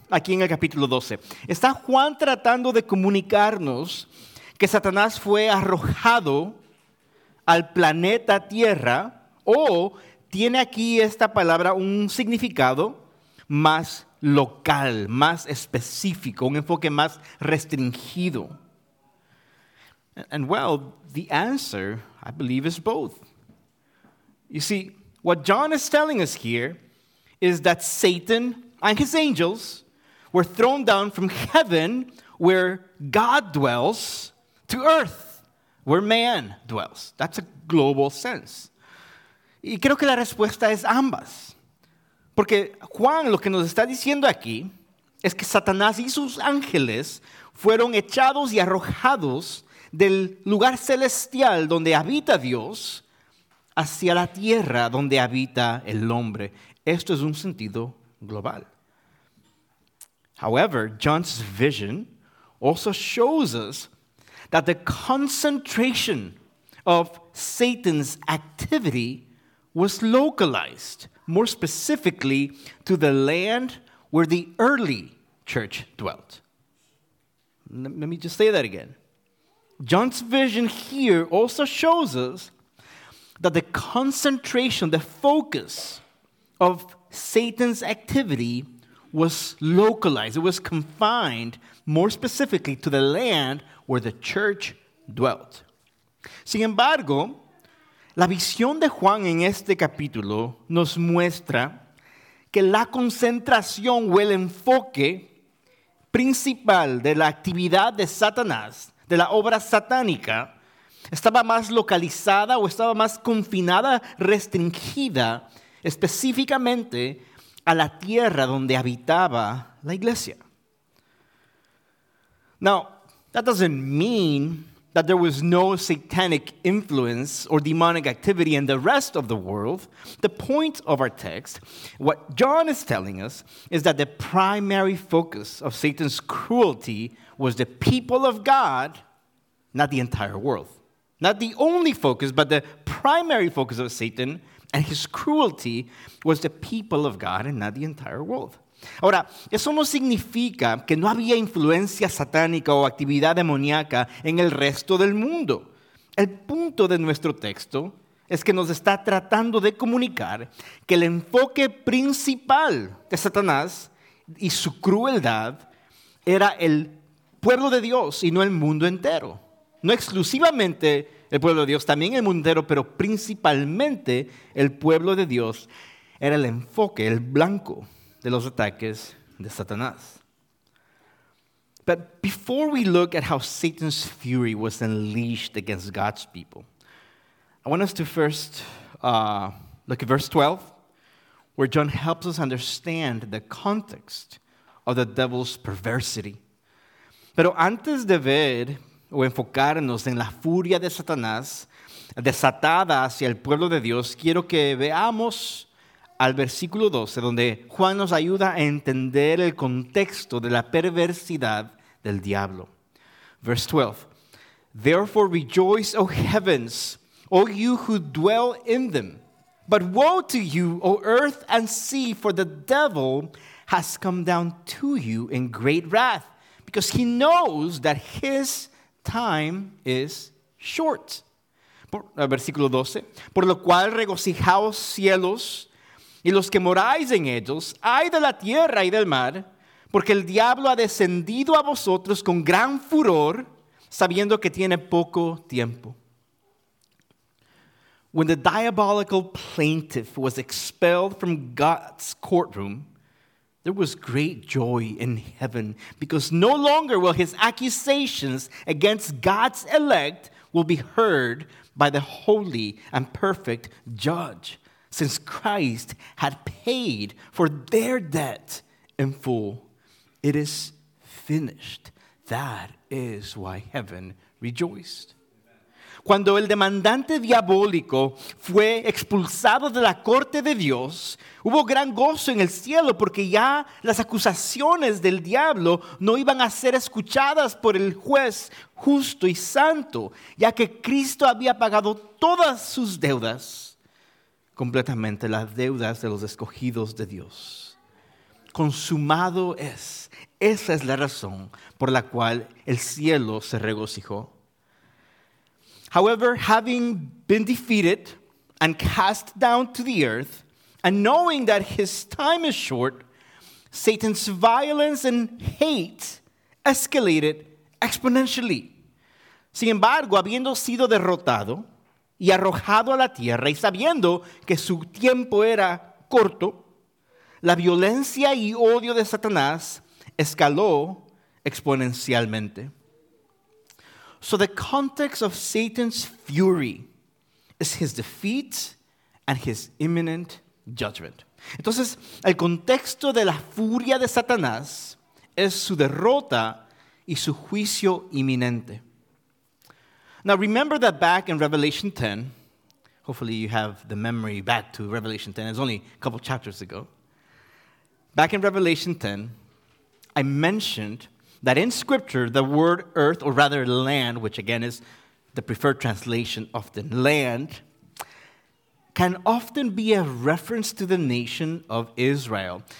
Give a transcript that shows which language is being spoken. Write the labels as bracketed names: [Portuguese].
[Spanish] Aquí en el capítulo 12, está Juan tratando de comunicarnos que Satanás fue arrojado al planeta Tierra, o tiene aquí esta palabra un significado más local, más específico, un enfoque más restringido. [English] And well, the answer, I believe, is both. You see, what John is telling us here is that Satan and his angels were thrown down from heaven where God dwells to earth where man dwells. That's a global sense. [Spanish] Y creo que la respuesta es ambas. Porque Juan lo que nos está diciendo aquí es que Satanás y sus ángeles fueron echados y arrojados del lugar celestial donde habita Dios hacia la tierra donde habita el hombre. Esto es un sentido global. [English] However, John's vision also shows us that the concentration of Satan's activity was localized, more specifically, to the land where the early church dwelt. Let me just say that again. John's vision here also shows us that the concentration, the focus of Satan's activity was localized, it was confined, more specifically, to the land where the church dwelt. [Spanish] Sin embargo, La visión de Juan en este capítulo nos muestra que la concentración o el enfoque principal de la actividad de Satanás, de la obra satánica, estaba más localizada o estaba más confinada, restringida específicamente a la tierra donde habitaba la iglesia. [English] Now, that doesn't mean that there was no satanic influence or demonic activity in the rest of the world. The point of our text, what John is telling us, is that the primary focus of Satan's cruelty was the people of God, not the entire world. Not the only focus, but the primary focus of Satan and his cruelty was the people of God and not the entire world. [Spanish] Ahora, eso no significa que no había influencia satánica o actividad demoníaca en el resto del mundo. El punto de nuestro texto es que nos está tratando de comunicar que el enfoque principal de Satanás y su crueldad era el pueblo de Dios y no el mundo entero. No exclusivamente el pueblo de Dios, también el mundo entero, pero principalmente el pueblo de Dios era el enfoque, el blanco de los ataques de Satanás. [English] But before we look at how Satan's fury was unleashed against God's people, I want us to first look at verse 12, where John helps us understand the context of the devil's perversity. [Spanish] Pero antes de ver o enfocarnos en la furia de Satanás desatada hacia el pueblo de Dios, quiero que veamos al versículo 12, donde Juan nos ayuda a entender el contexto de la perversidad del diablo. [English] Verse 12. Therefore rejoice, O heavens, O you who dwell in them. But woe to you, O earth and sea, for the devil has come down to you in great wrath, because he knows that his time is short. [Spanish] Versículo 12. Por lo cual regocijaos cielos, y los que moráis en ellos, ay de la tierra y del mar, porque el diablo ha descendido a vosotros con gran furor, sabiendo que tiene poco tiempo. [English] When the diabolical plaintiff was expelled from God's courtroom, there was great joy in heaven, because no longer will his accusations against God's elect will be heard by the holy and perfect judge, since Christ had paid for their debt in full. It is finished. That is why heaven rejoiced. [Spanish] Cuando el demandante diabólico fue expulsado de la corte de Dios, hubo gran gozo en el cielo porque ya las acusaciones del diablo no iban a ser escuchadas por el juez justo y santo, ya que Cristo había pagado todas sus deudas, completamente las deudas de los escogidos de Dios. Consumado es. Esa es la razón por la cual el cielo se regocijó. [English] However, having been defeated and cast down to the earth, and knowing that his time is short, Satan's violence and hate escalated exponentially. [Spanish] Sin embargo, habiendo sido derrotado y arrojado a la tierra, y sabiendo que su tiempo era corto, la violencia y odio de Satanás escaló exponencialmente. [English] So the context of Satan's fury is his defeat and his imminent judgment. [Spanish] Entonces, el contexto de la furia de Satanás es su derrota y su juicio inminente. [English] Now remember that back in Revelation 10, hopefully you have the memory back to Revelation 10, it's only a couple chapters ago. Back in Revelation 10, I mentioned that in Scripture, the word earth, or rather land, which again is the preferred translation often, land, can often be a reference to the nation of Israel.